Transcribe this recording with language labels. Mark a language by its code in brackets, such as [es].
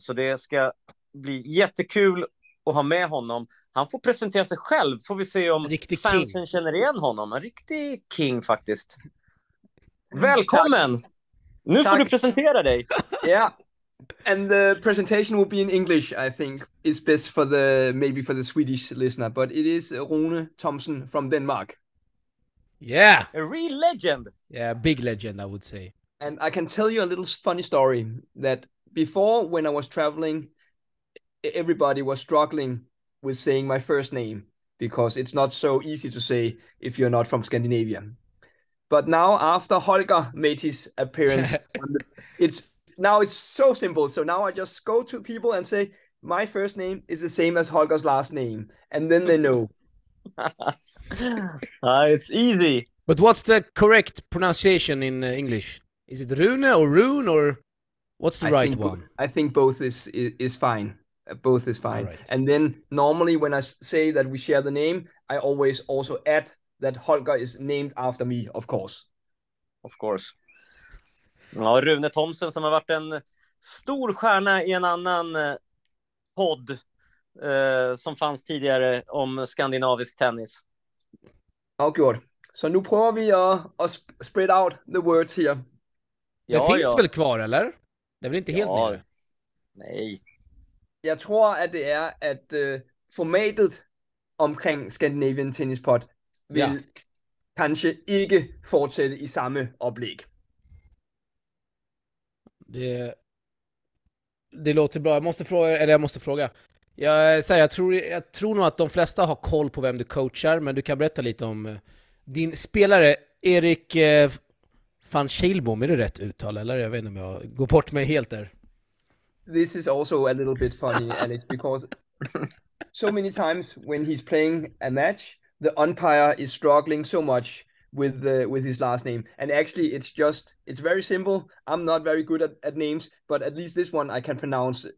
[sv] Så det ska bli jättekul att ha med honom. Han får presentera sig själv. Får vi se om fansen king. Känner igen honom. En riktig king faktiskt. Välkommen! Tack. Nu Tack. Får du presentera dig. [en] Yeah. And the presentation will be in English, I think. It's best for the, maybe for the Swedish listener. But it is Rune Thompson from Denmark. Yeah. A real legend. Yeah, big legend, I would say. And I can tell you a little funny story that before when I was traveling, everybody was struggling with saying my first name because it's not so easy to say if you're not from Scandinavia. But now after Holger made his appearance, it's so simple. So now I just go to people and say, my first name is the same as Holger's last name. And then they know. It's easy. But what's the correct pronunciation in English? Is it Rune or Rune or what's the one? I think both is fine. Both is fine. Right. And then normally when I say that we share the name, I always also add that Holger is named after me, of course. Of course. [sv] Ja, Rune Thompson som har varit en stor stjärna i en annan podd som fanns tidigare om skandinavisk tennis. Avgjord. Så nu prövar vi att [en] spread out the words here. [sv] Det finns väl kvar, eller? Det är väl inte helt nere? Nej. Jag tror att det är att formatet omkring Scandinavian Tennis Pod vill kanske inte fortsätta i samma upplägg. Det låter bra. Jag måste fråga. Jag tror nog att de flesta har koll på vem du coachar, men du kan berätta lite om din spelare Erik van Schielbom. Är det rätt uttal eller jag vet inte om jag går bort mig helt där. [en] This is also a little bit funny, Alex, because so many times when he's playing a match, the umpire is struggling so much with his last name. And actually, it's very simple. I'm not very good at names, but at least this one I can pronounce.